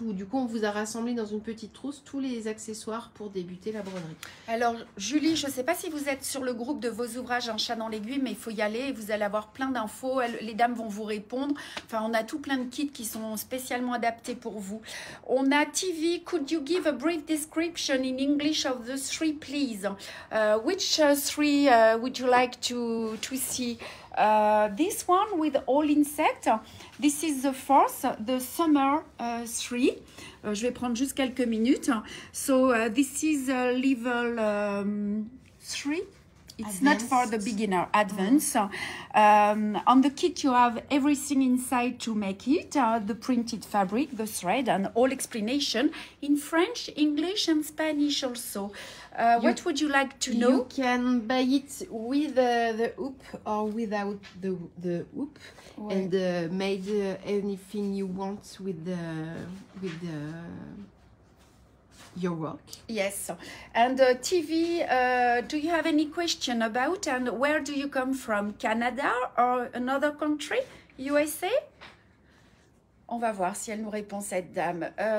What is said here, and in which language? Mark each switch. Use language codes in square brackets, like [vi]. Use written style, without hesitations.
[fr] Où, du coup, on vous a rassemblé dans une petite trousse tous les accessoires pour débuter la broderie. Alors, Julie, je ne sais pas si vous êtes sur le groupe de vos ouvrages Un chat dans l'aiguille, mais il faut y aller. Vous allez avoir plein d'infos. Les dames vont vous répondre. Enfin, on a tout plein de kits qui sont spécialement adaptés pour vous. On a TV. [en] Could you give a brief description in English of the three, please? Which three would you like to see? This one with all insects. This is the first, the summer three. [fr] Je vais prendre juste quelques minutes. [en] So this is level three. It's advanced. Not for the beginner, advanced. On the kit, you have everything inside to make it, the printed fabric, the thread, and all explanation in French, English, and Spanish also. What would you like to know? You can buy it with the hoop or without the hoop, and made anything you want with the your work. Yes. And TV, do you have any question about, and where do you come from? Canada or another country? USA? [fr] On va voir si elle nous répond, cette dame.